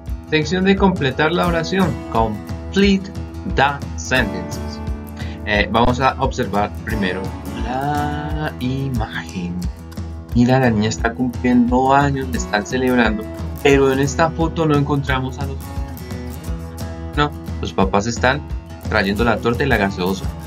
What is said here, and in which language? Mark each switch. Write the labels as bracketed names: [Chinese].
[Spanish] Sección de completar la oración. [English] Complete the sentences. [Spanish] Vamos a observar primero la imagen. Mira, la niña está cumpliendo años, le están celebrando, pero en esta foto no encontramos a los papás. No, los papás están trayendo la torta y la gaseosa.